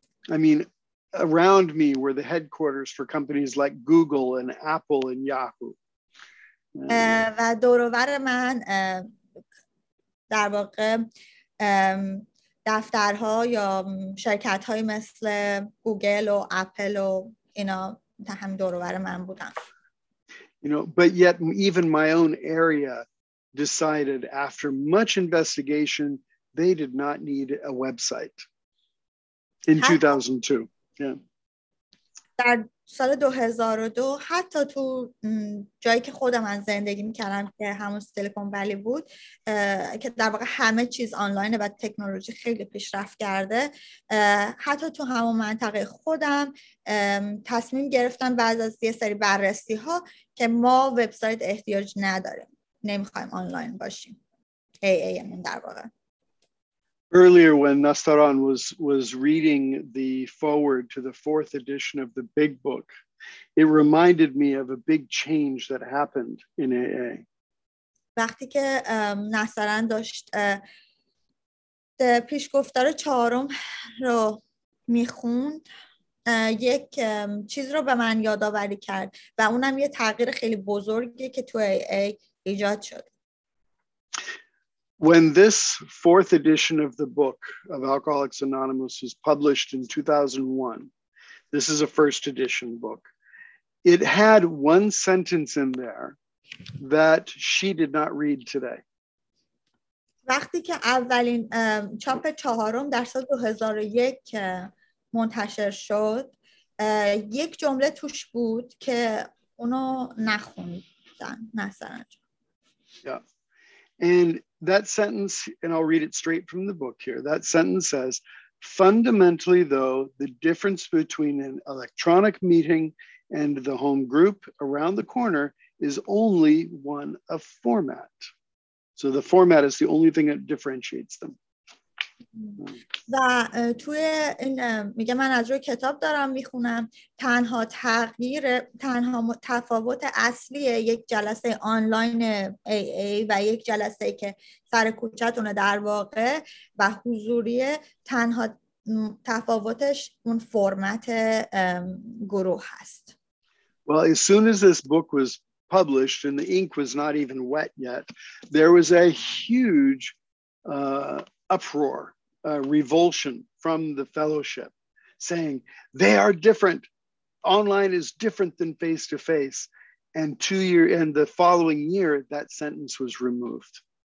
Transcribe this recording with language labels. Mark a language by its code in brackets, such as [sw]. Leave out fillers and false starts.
[en] I mean, around me were the headquarters for companies like Google and Apple and Yahoo. [fa] و دور و بر من در واقع دفترها یا شرکت های مثل گوگل و اپل و اینا تا هم دور و بر من بودن. [en] You know, but yet even my own area decided after much investigation they did not need a website in 2002. [fa] در سال 2002 حتی تو جایی که خودم از زندگی میکردم که همون سیلیکون ولی بود که در واقع همه چیز آنلاین و تکنولوژی خیلی پیشرفت کرده، حتی تو همون منطقه خودم تصمیم گرفتن بعد از یه سری بررسی ها که ما وبسایت احتیاج نداریم، نمیخوایم آنلاین باشیم AA من در واقع. [en] Earlier when Nastaran was reading the foreword to the fourth edition of the Big Book It reminded me of a big change that happened in AA. [fa] وقتی که نصران داشت پیشگفتار چهارم رو میخوند یک چیز رو به من یادآوری کرد و اونم یه تغییر خیلی بزرگی که تو AA ایجاد شد. [en] When this fourth edition of the book of Alcoholics Anonymous was published in 2001, this is a first edition book, it had one sentence in there that she did not read today. وقتی که اولین چاپ چهارم در سال 2001 منتشر شد یک جمله توش بود که اونو نخوندن نصران جان. Yeah. And that sentence, and I'll read it straight from the book here. That sentence says, fundamentally, though, the difference between an electronic meeting and the home group around the corner is only one of format. So the format is the only thing that differentiates them. [fa] و توی این میگه من از روی کتاب دارم میخونم تنها تغییر تنها تفاوت اصلی یک جلسه آنلاین AA و یک جلسه که سر کوچه‌تونه در واقع و حضوری تنها تفاوتش اون فرمت گروه هست. [en] Well, as soon as this book was published and the ink was not even wet yet, there was a huge uproar. A revulsion from the fellowship saying they are different, online is different than face to face, and 2 year and the following year that sentence was removed.